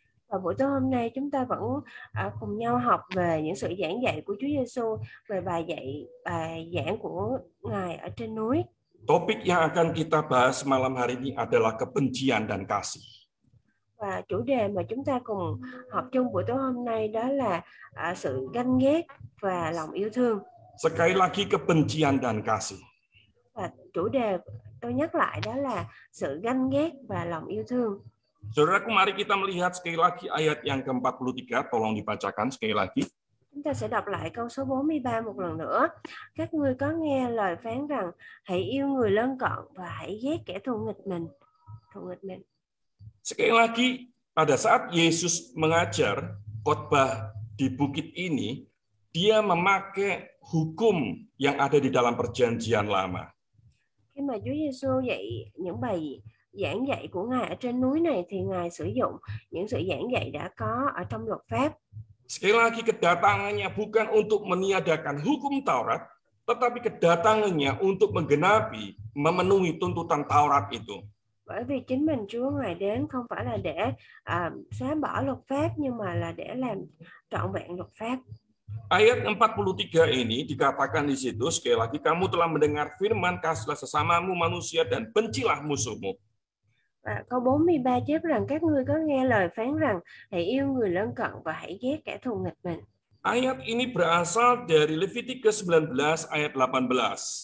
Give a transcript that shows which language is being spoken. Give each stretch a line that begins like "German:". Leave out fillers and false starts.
Vietnamese: Và buổi tối hôm nay chúng ta vẫn cùng nhau học về những sự giảng dạy của Chúa Giêsu, về bài dạy bài giảng của Ngài ở trên núi.
Indonesian: Topik yang akan kita bahas malam hari ini adalah kebencian dan kasih.
Vietnamese: Và chủ đề mà chúng ta cùng học chung buổi tối hôm nay đó là sự ganh ghét và lòng yêu thương.
Indonesian: Sekali lagi, kebencian dan kasih.
Vietnamese: Và chủ đề tôi nhắc lại đó là sự ganh ghét và lòng yêu thương.
Indonesian: Saudaraku, mari kita melihat sekali lagi ayat yang ke-43, tolong dibacakan sekali lagi.
Vietnamese: Chúng ta sẽ đọc lại câu số 43 một lần nữa. Các ngươi có nghe lời phán rằng hãy yêu người lân cận và hãy ghét kẻ thù nghịch mình.
Indonesian: Sekali lagi, pada saat Yesus mengajar khotbah di bukit ini, Dia memakai hukum yang ada di dalam Perjanjian Lama.
Vietnamese: Khi mà Chúa Giêsu dạy những bài giảng dạy của Ngài ở trên núi này thì Ngài sử dụng những sự giảng dạy đã có ở trong luật pháp.
Indonesian: Sekali lagi, kedatangannya bukan untuk meniadakan hukum Taurat, tetapi kedatangannya untuk menggenapi, memenuhi tuntutan Taurat itu.
Vietnamese: Bởi vì chính mình Chúa Ngài đến không phải là để xóa bỏ luật pháp, nhưng mà là để làm trọn vẹn luật pháp.
Indonesian: Ayat 43 ini dikatakan di situ, sekali lagi, kamu telah mendengar firman, kasihlah sesamamu manusia dan bencilah musuhmu.
Vietnamese: Và câu 43 chép rằng các ngươi có nghe lời phán rằng hãy yêu người lân cận và hãy ghét kẻ thù nghịch mình.
Indonesian: Ayat ini berasal dari Leviticus 19 ayat 18.